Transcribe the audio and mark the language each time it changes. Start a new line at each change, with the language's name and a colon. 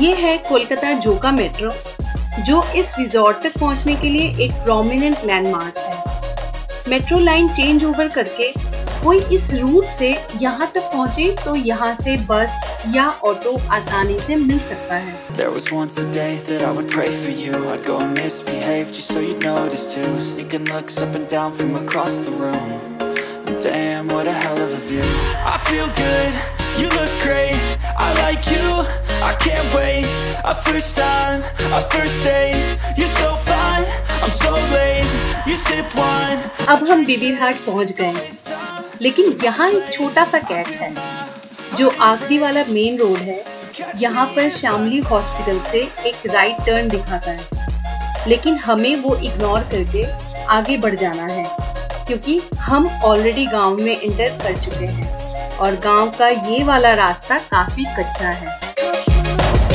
Hindi: ये है कोलकाता जोका मेट्रो, जो इस रिजॉर्ट तक पहुंचने के लिए एक प्रोमिनेंट लैंडमार्क है। मेट्रो लाइन चेंज ओवर करके कोई इस रूट से यहाँ तक पहुँचे तो यहाँ से बस या ऑटो आसानी से मिल सकता है।
English: There was once a day that I would pray for you. I'd go and misbehave just so you'd notice too. Sneaking looks up and down from across the room. Damn, what a hell of a view. I feel good, you look great. I like you, I can't wait. A first time, a first date. You're so fine, I'm so late. You sip wine.
Hindi: अब हम बीबीघाट पहुँच गए, लेकिन यहाँ एक छोटा सा catch है। जो आखिरी वाला मेन रोड है, यहाँ पर शामली हॉस्पिटल से एक राइट टर्न दिखाता है, लेकिन हमें वो इग्नोर करके आगे बढ़ जाना है, क्योंकि हम ऑलरेडी गांव में एंटर कर चुके हैं और गांव का ये वाला रास्ता काफी कच्चा है।